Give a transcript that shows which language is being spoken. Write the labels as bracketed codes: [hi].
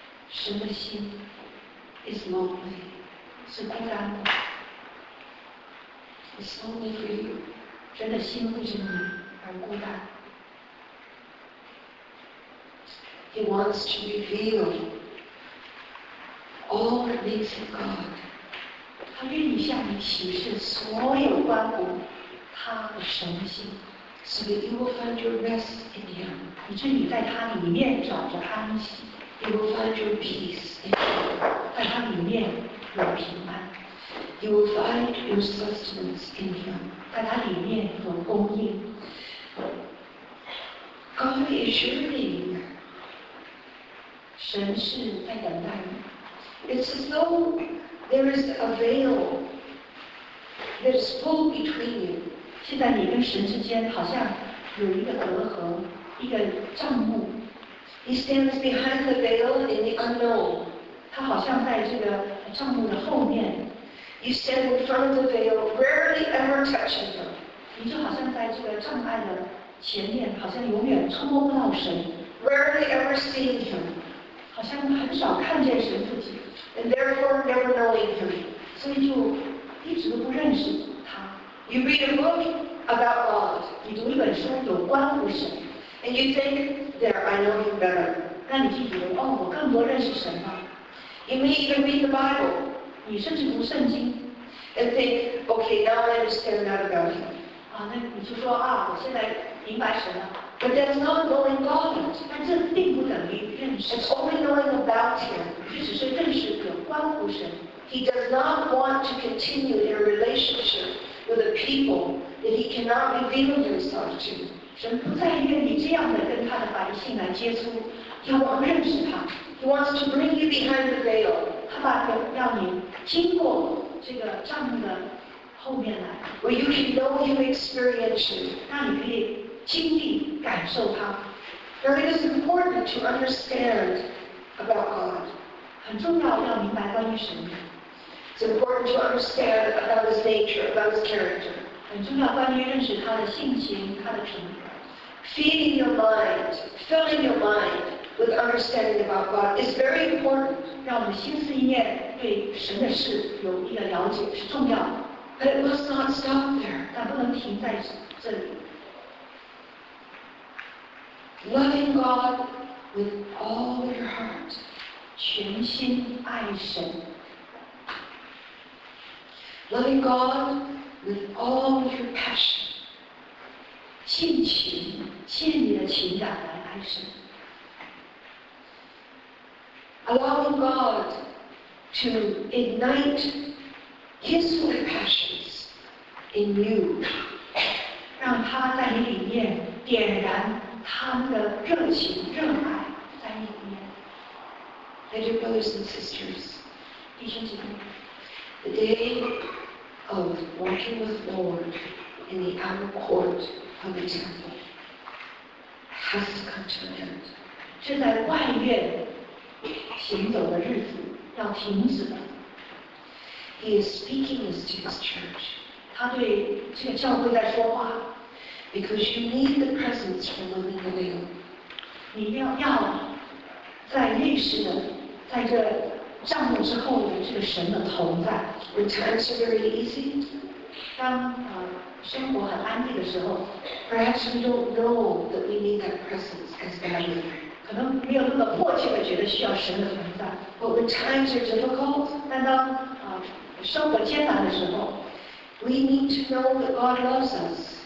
[zh] 神的心 [en] is lonely, [zh] 是孤单的。 [en] It's lonely for you. [zh] 真的心为着你而孤单。 [en] He wants to reveal all that makes him God. [zh] 他愿意向你启示所有关乎他的神性。 [en] So that you will find your rest in him. [zh] 以致你在他里面找着安息。 [en] You will find your peace in him. [zh] 在他里面有平安。 [en] You will find your sustenance in him. [zh] 在他里面有供应。 [en] God is yearning. [zh] 神是在等待你。 [en] It's as though there is a veil that is full between you. [zh] 现在你跟神之间好像有一个隔阂，一个帐幕。 [en] He stands behind the veil in the unknown. [zh] 他好像在这个帐幕的后面。 [en] You stand in front of the veil, rarely ever touching him. [zh] 你就好像在这个障碍的前面，好像永远触摸不到神。 [en] Rarely ever seeing him. [zh] 好像很少看见神自己 [en] ，and therefore never knowing him， [zh] 所以就一直都不认识他。 [en] You read a book about God， [zh] 你读一本书有关乎神 [en] ，and you think there I know him better， [zh] 那你就以为哦，我更多认识神了。 [en] You may even read the Bible， [zh] 你甚至读圣经 [en] ，and think okay now I understand that about him。 [zh] 啊，那你就说啊，我现在明白神了。 [en] But that's not knowing God. [zh] 但这并不等于认识。 [en] It's only knowing about Him. [zh] 这只是认识有关乎神。 [en] He does not want to continue in a relationship with a people that He cannot reveal Himself to. [zh] 神不再愿意这样的跟他的百姓来接触，要我认识他。 [en] He wants to bring you behind the veil. [zh] 他把要你经过这个帐幕的后面来。 [en] Where you can know Him experientially. [zh] 那你可以。经历感受他。 [en] Now it is important to understand about God. [zh] 很重要要明白关于神。 [en] It's important to understand about his nature, about his character. [zh] 很重要关于认识他的性情，他的品格。 [en] Feeding your mind, filling your mind with understanding about God is very important. [zh] 让我们心思意念对神的事有一个了解是重要的。 [en] But it must not stop there. [zh] 但不能停在这里。 [en] Loving God with all your heart, [zh] 全心爱神。 [en] Loving God with all your passion, [zh] 尽情尽你的情感来爱神。 [en] Allowing God to ignite His holy passions in you, [zh] 让他在你里面点燃。他们的热情热爱在里面。 [en] and your brothers and sisters. Be gentle. The day of walking with the Lord in the outer court of the temple has to come to an end. [zh] 正在外院行走的日子要停止了。 [en] He is speaking this to his church. [zh] 他对这个教会在说话。 [en] Because you need the presence from within the veil. [zh] 你要在律师的在这帐幕之后的这个神的同在。 [en] When times are very easy. [zh] 当生活很安定的时候。 [en] Perhaps we don't know that we need that presence as badly. [zh] 可能没有那么迫切地觉得需要神的存在。 [en] But when times are difficult. [zh] 但当生活艰难的时候。 [en] We need to know that God loves us.